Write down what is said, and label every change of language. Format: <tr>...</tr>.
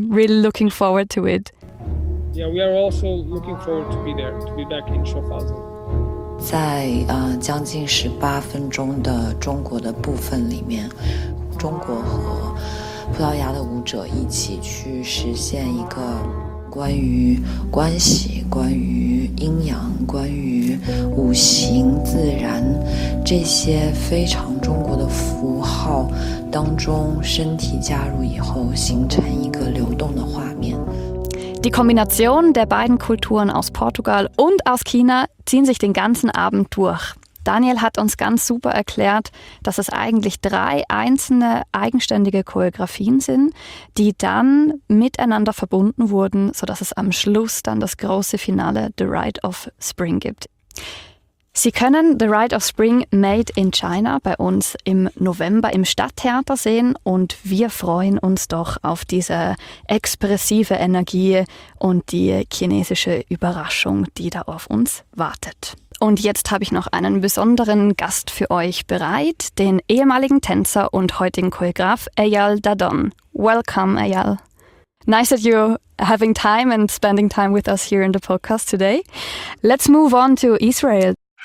<en>Really looking forward to it. Yeah, we are also looking forward to be there, to be back in Schaffhausen.</en> <zh>在将近18分钟的中国的部分里面，中国和葡萄牙的舞者一起去实现一个关于关系、关于阴阳、关于五行、自然这些非常中国的符号当中，身体加入以后形成一个流动的画面。</zh> <de>Die Kombination der beiden Kulturen aus Portugal und aus China ziehen sich den ganzen Abend durch. Daniel hat uns ganz super erklärt, dass es eigentlich drei einzelne eigenständige Choreografien sind, die dann miteinander verbunden wurden, sodass es am Schluss dann das große Finale The Rite of Spring gibt. Sie können The Rite of Spring Made in China bei uns im November im Stadttheater sehen und wir freuen uns doch auf diese expressive Energie und die chinesische Überraschung, die da auf uns wartet. Und jetzt habe ich noch einen besonderen Gast für euch bereit, den ehemaligen Tänzer und heutigen Choreograf Eyal Dadon.</de> <en>Welcome, Eyal. Nice that you're having time and spending time with us here in the podcast today. Let's move on to Israel.</en>